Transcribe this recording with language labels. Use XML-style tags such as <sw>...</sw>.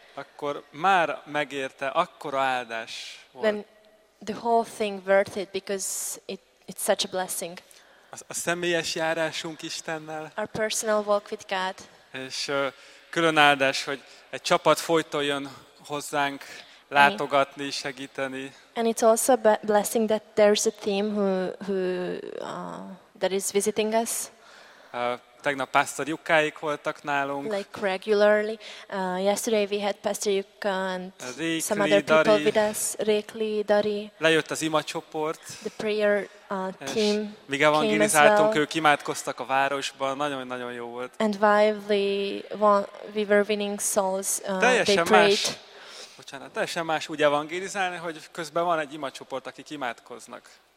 <hu>akkor már megérte, akkora áldás volt.</hu> <en>Then the whole thing worth it because it's such a blessing.</en> <hu>A személyes járásunk Istennel.</hu> <en>Our personal walk with God.</en> <hu>És külön áldás, hogy egy csapat folyton jön hozzánk látogatni, segíteni.</hu> <en>And it's also a blessing that there's a team who is visiting us.</en> <hu>Tegnap Pastor Jukkáik voltak nálunk.</hu> <en>Like regularly. Yesterday we had Pastor Jukka and</en> <hu>Rick,</hu> <en>some</en> <hu>Lee,</hu> <en>other people</en> <hu>Dari.</hu> <en>With us. Rick, Lee, Dari.</en> <hu>Lejött az ima csoport.</hu> <en>The prayer team.</en> <hu>Míg evangelizáltunk, ők imádkoztak a városban. Nagyon-nagyon jó volt.</hu> <en>And while we were winning souls, they prayed.</en> <hu>Bocsánat, teljesen más úgy evangelizálni, hogy közben van egy imacsoport, akik imádkoznak.</hu>